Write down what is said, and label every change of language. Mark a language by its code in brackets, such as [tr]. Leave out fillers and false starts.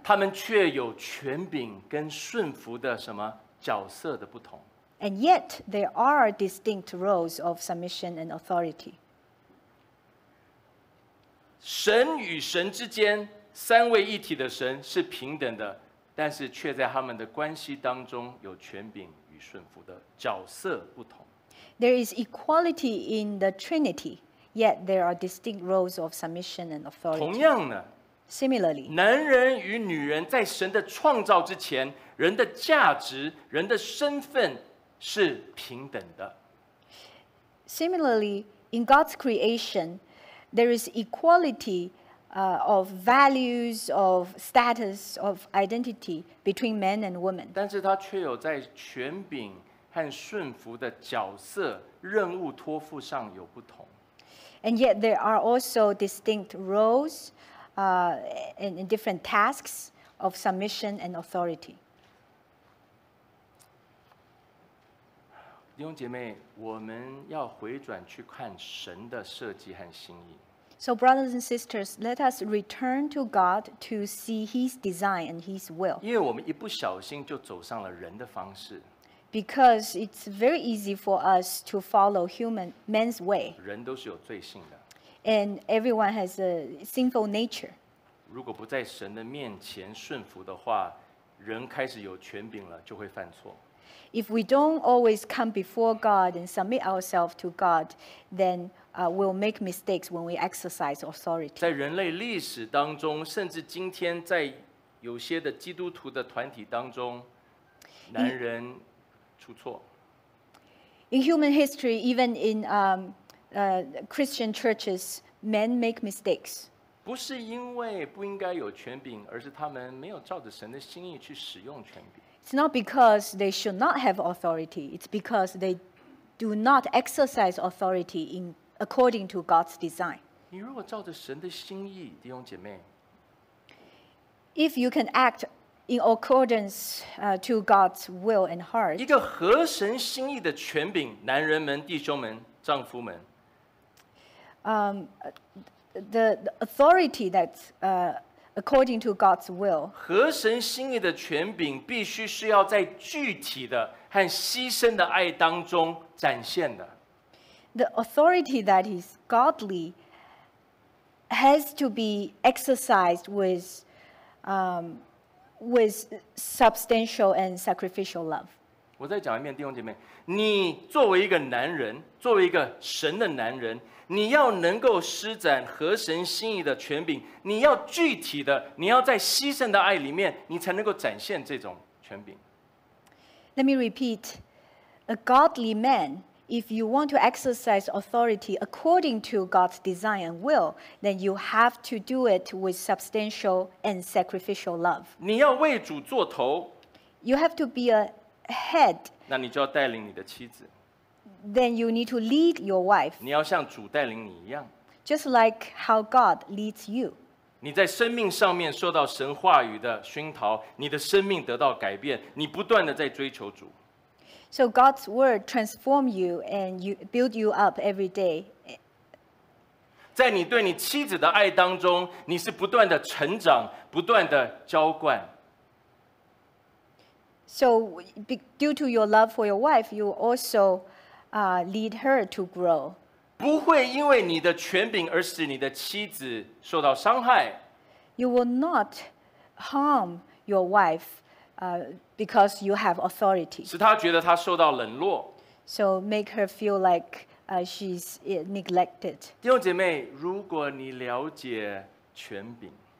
[zh] 他们却有权柄跟顺服的什么角色的不同。 [en] And yet, there are distinct roles of submission and authority. [zh] 神与神之间，三位一体的神是平等的，但是却在他们的关系当中有权柄与顺服的角色不同。 [en] There is equality in the Trinity. Yet there are distinct roles of submission and authority. [zh] 同样呢 [en] ，similarly， [zh] 男人与女人在神的创造之前，人的价值、人的身份是平等的。 [en] Similarly, in God's creation, there is equality of values, of status, of identity between men and women. [zh] 但是他却有在权柄和顺服的角色、任务托付上有不同。 [en] And yet there are also distinct roles and different tasks of submission and authority. [zh] 弟兄姐妹，我们要回转去看神的设计和心意。 [en] So brothers and sisters, let us return to God to see His design and His will. [zh] 因为我们一不小心就走上了人的方式。 [en] Because it's very easy for us to follow human man's way. [zh] 人都是有罪性的。 [en] And everyone has a sinful nature. [zh] 如果不在神的面前顺服的话，人开始有权柄了，就会犯错。 [en] If we don't always come before God and submit ourselves to God, then we'll make mistakes when we exercise authority. [zh] 在人类历史当中，甚至今天在有些的基督徒的团体当中，男人出错。 [en] In human history, even in Christian churches, men make mistakes. [zh] 不是因为不应该有权柄，而是他们没有照着神的心意去使用权柄。 [en] It's not because they should not have authority. It's because they do not exercise authority in according to God's design. [zh] 你如果照着神的心意，弟兄姐妹。 [en] If you can act in accordance to God's will and heart. [zh] 一个合神心意的权柄，男人们、弟兄们、丈夫们。 [en] The authority that's according to God's will. [zh] 合神心意的权柄必须是要在具体的和牺牲的爱当中展现的。 [en] The authority that is godly has to be exercised with substantial and sacrificial love. [zh] 我再讲一遍，弟兄姐妹，你作为一个男人，作为一个神的男人，你要能够施展合神心意的权柄，你要具体的，你要在牺牲的爱里面，你才能够展现这种权柄。 [en] Let me repeat. A godly man, if you want to exercise authority according to God's design and will, then you have to do it with substantial and sacrificial love. [zh] 你要为主做头。 [en] You have to be a head. [zh] 那你就要带领你的妻子。 [en] Then you need to lead your wife. [zh] 你要像主带领你一样。 [en] Just like how God leads you. [zh] 你在生命上面受到神话语的熏陶，你的生命得到改变，你不断的在追求主。 [en] So God's word transforms you and you build you up every day. [zh] 在你对你妻子的爱当中，你是不断的成长，不断的浇灌。 [en] So due to your love for your wife, you also lead her to grow. [zh] 不会因为你的权柄而使你的妻子受到伤害。 [en] You will not harm your wife because you have authority. [zh] 使她觉得她受到冷落。 [en] So make her feel like she's neglected. [zh] 弟兄姐妹，如果你了解权柄。